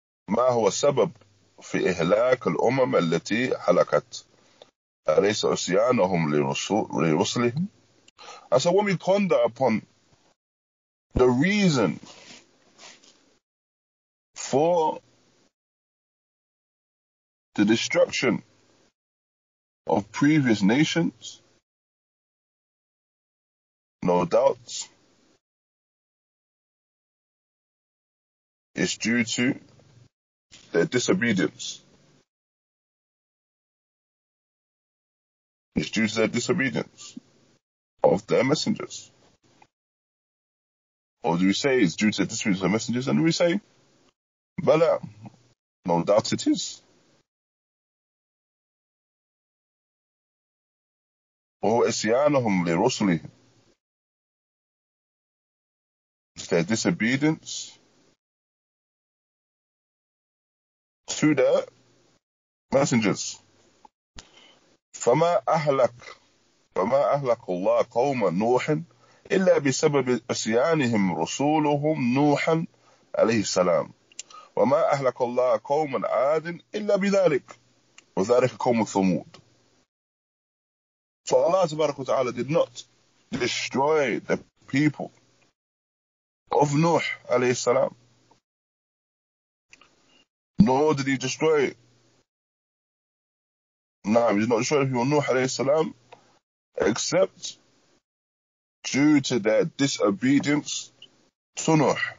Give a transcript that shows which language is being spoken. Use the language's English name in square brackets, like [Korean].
[Arabic] ما هو السبب في إهلاك الأمم التي حلقت أليس عصيانهم لرسلهم. [English] And so when we ponder upon the reason for the destruction of previous nations, no doubt it's due to their disobedience. It's due to their disobedience of their messengers. Or do we say it's due to the disobedience of the messengers? And do we say, Bala, no doubt it is. [Arabic] Or isyanahum li rusuli. [English] It's their disobedience to the messengers. [Arabic] فما أهلك الله قوم نوح إلا بسبب أسيانهم رسولهم نوح عليه السلام وما أهلك الله قوم عاد إلا بذلك وذلك قوم ثمود. [English] So Allah تبارك وتعالى did not destroy the people of نوح عليه السلام, nor did he destroy it. No, he did not destroy the people of Nuh alayhi salam, except due to their disobedience to Nuh.